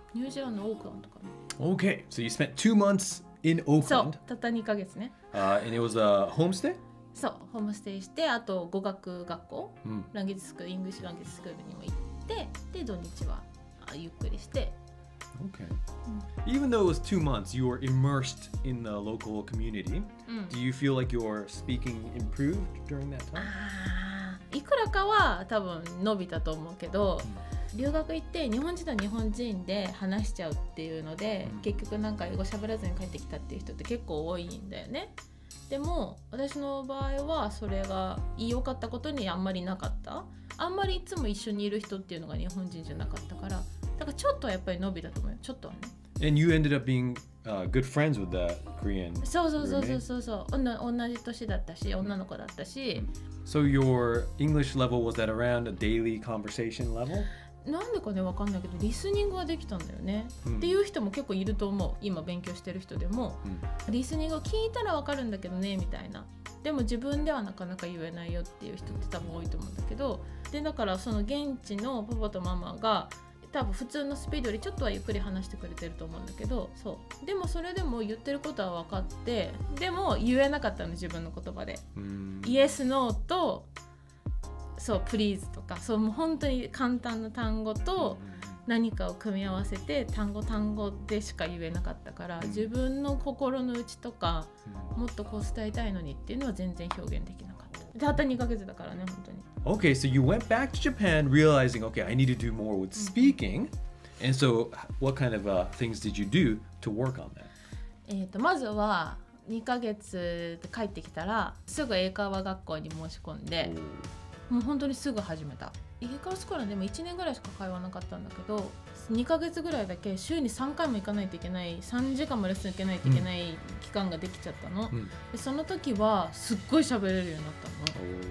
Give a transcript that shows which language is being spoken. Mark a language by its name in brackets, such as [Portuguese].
[Japanese] ニュージーランドのオークランドかな。 [English] Okay, so you spent 2 months in Auckland. [Japanese] そう、たった2ヶ月ね。 [English] And it was a homestay? [Japanese] そう、ホームステイして、あと語学学校、ランゲージスクール、イングリッシュランゲージスクールにも行って、で、土日はゆっくりして。 [English] Okay.、Even though it was 2 months, you were immersed in the local community.、Do you feel like your speaking improved during that time? [Japanese] いくらかは多分伸びたと思うけど、留学行って日本人と日本人で話しちゃうっていうので、結局なんか英語喋らずに帰ってきたっていう人って結構多いんだよね。でも私の場合はそれが良かったことにあんまりなかった、あんまりいつも一緒にいる人っていうのが日本人じゃなかったから、だからちょっとはやっぱり伸びたと思うよ、ちょっとはね。 [English] And you ended up being、good friends with the Korean roommate? [Japanese] そうそうそうそうそう、同じ年だったし女の子だったし、 [English] So your English level was at around a daily conversation level? [Japanese] なんでかね、わかんないけどリスニングはできたんだよね、っていう人も結構いると思う、今勉強してる人でも、リスニングを聞いたらわかるんだけどねみたいな、でも自分ではなかなか言えないよっていう人って多分多いと思うんだけど、でだからその現地のパパとママが多分普通のスピードよりちょっとはゆっくり話してくれてると思うんだけど、そう、でもそれでも言ってることは分かって、でも言えなかったの自分の言葉で、イエスノーとそう、プリーズとか、そう、もう本当に簡単な単語と何かを組み合わせて単語単語でしか言えなかったから、自分の心の内とかもっとこう伝えたいのにっていうのは全然表現できなかった。たった2ヶ月だからね、本当に。 [English] Okay, so you went back to Japan realizing, okay, I need to do more with speaking. And so, what kind of、things did you do to work on that? [Japanese] まずは、2ヶ月で帰ってきたら、すぐ英会話学校に申し込んで、もう本当にすぐ始めた。英会話スクールでも1年ぐらいしか会話なかったんだけど、2ヶ月ぐらいだけ週に3回も行かないといけない、3時間もレッスン受けないといけない期間ができちゃったの、でその時はすっごい喋れるようになったの。